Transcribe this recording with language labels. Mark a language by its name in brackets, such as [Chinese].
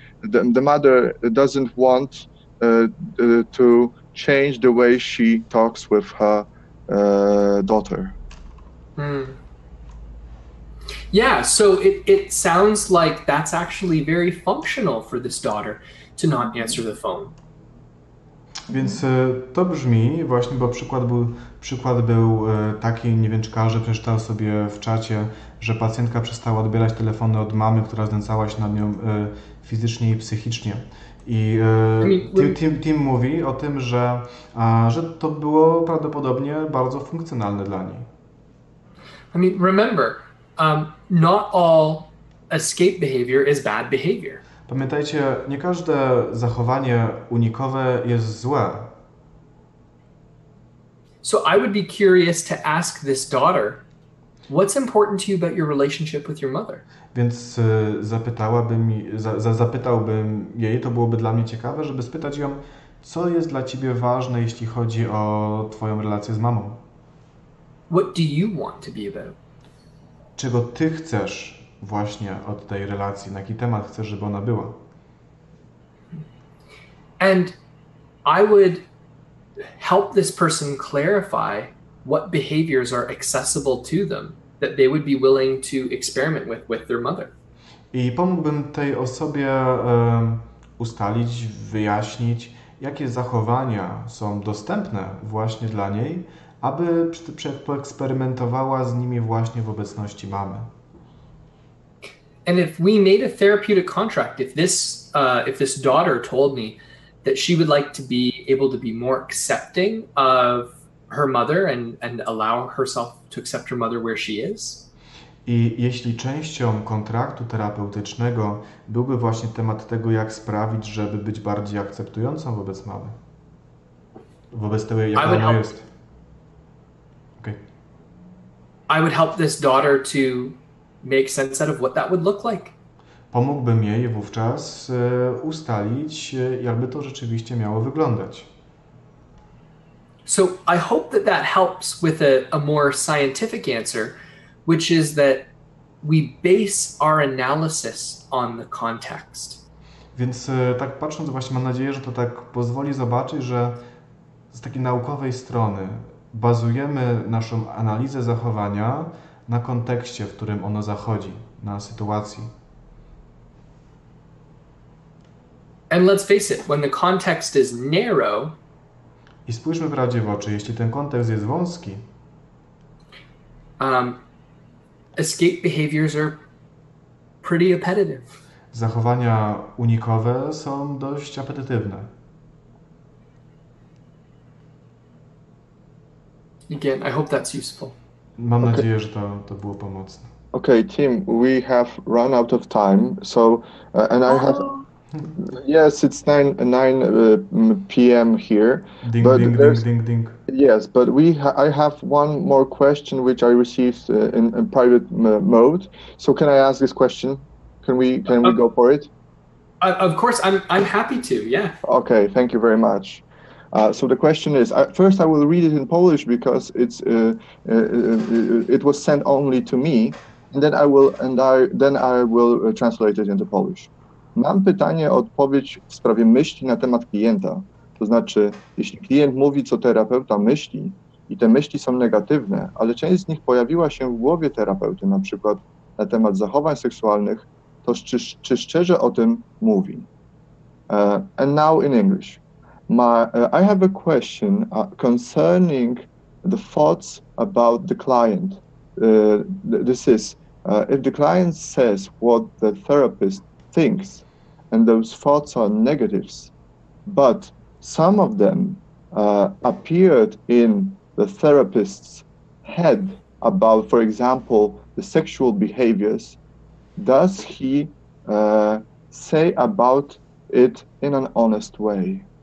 [English] The mother doesn't want to change the way she talks with her daughter. Hmm. Yeah, so it sounds like that's actually very functional for this daughter to not answer the phone. [Polish] Więc to brzmi właśnie, bo przykład był taki, nie wiem, czy każdy przeczytał sobie w czacie, że pacjentka przestała odbierać telefony od mamy, która znęcała się nad nią fizycznie i psychicznie. I Tim mówi o tym, że to było prawdopodobnie bardzo funkcjonalne dla niej. [English] I mean, remember, not all escape behavior is bad behavior. [Polish] Pamiętajcie, nie każde zachowanie unikowe jest złe. [English] So I would be curious to ask this daughter, what's important to you about your relationship with your mother? [Polish] Więc zapytałbym jej, to byłoby dla mnie ciekawe, żeby spytać ją, co jest dla ciebie ważne, jeśli chodzi o twoją relację z mamą? [English] What do you want to be about? [Polish] Czego ty chcesz właśnie od tej relacji? Na jaki temat chcesz, żeby ona była? [English] And I would help this person clarify what behaviors are accessible to them that they would be willing to experiment with their mother. [Polish] I pomógłbym tej osobie ustalić, wyjaśnić, jakie zachowania są dostępne właśnie dla niej, aby poeksperymentowała z nimi właśnie w obecności mamy. [English] And if we made a therapeutic contract, if this daughter told me, that she would like to be able to be more accepting of her mother and allow herself to accept her mother where she is. [Polish] I jeśli częścią kontraktu terapeutycznego byłby właśnie temat tego, jak sprawić, żeby być bardziej akceptującą wobec mamy, wobec tego, jaka ona jest. [English] Okay. I would help this daughter to make sense out of what that would look like. [Polish] Pomógłbym jej wówczas ustalić, jakby to rzeczywiście miało wyglądać. [English] So I hope that that helps with a more scientific answer, which is that we base our analysis on the context. [Polish] Więc tak patrząc właśnie mam nadzieję, że to tak pozwoli zobaczyć, że z takiej naukowej strony bazujemy naszą analizę zachowania na kontekście, w którym ono zachodzi, na sytuacji. [English] And let's face it, when the context is narrow, [Polish] i spójrzmy prawdzie w oczy, jeśli ten kontekst jest wąski, [English] escape behaviors are pretty appetitive. [Polish] Zachowania unikowe są dość apetytywne. [English] Again, I hope that's useful. [Polish] Mam okay. nadzieję, że to było pomocne. [English] Okay, Tim, we have run out of time, so and I have. Yes, it's 9 p.m. here. Ding, but ding, ding, ding, ding. Yes, but I have one more question which I received in private mode. So can I ask this question? Can we go for it? Of course, I'm happy to, yeah. Okay, thank you very much. So the question is, first I will read it in Polish because it's it was sent only to me, and then I will translate it into Polish. [Polish] Mam pytanie o odpowiedź w sprawie myśli na temat klienta. To znaczy, jeśli klient mówi, co terapeuta myśli i te myśli są negatywne, ale część z nich pojawiła się w głowie terapeuty, na przykład na temat zachowań seksualnych, to czy szczerze o tym mówi? [English] And now in English. I have a question concerning the thoughts about the client. This is, if the client says what the therapist thinks, and those thoughts are negatives, but some of them appeared in the therapist's head about, for example, the sexual behaviors, does he say about it in an honest way?